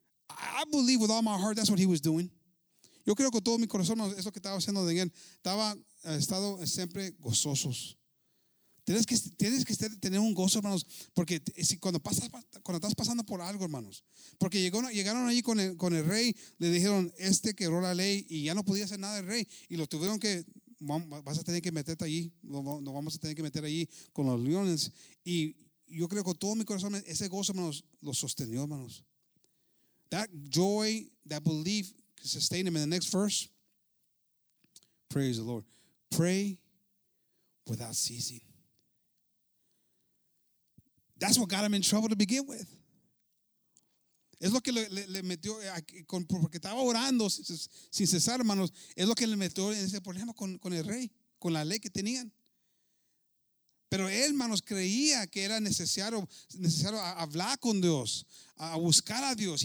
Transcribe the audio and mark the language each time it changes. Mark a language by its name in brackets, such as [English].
[English] I believe with all my heart that's what he was doing. [Spanish] Yo creo con todo mi corazón, hermanos, eso que estaba haciendo de bien. Estaba estado siempre gozosos. Tienes que tener un gozo, hermanos, porque si cuando estás pasando por algo, hermanos, porque llegaron allí con el rey, le dijeron, este quebró la ley y ya no podía hacer nada el rey, y lo tuvieron que, vas a tener que meterte allí, nos vamos a tener que meter allí con los leones, y yo creo con todo mi corazón, ese gozo, hermanos, lo sostenió, hermanos. [English] That joy, that belief, sustained him. In the next verse, praise the Lord, pray without ceasing. That's what got him in trouble to begin with. [Spanish] Es lo que le metió, porque estaba orando sin cesar, hermanos. Es lo que le metió en ese problema con el rey, con la ley que tenían. Pero él, hermanos, creía que era necesario hablar con Dios, a buscar a Dios.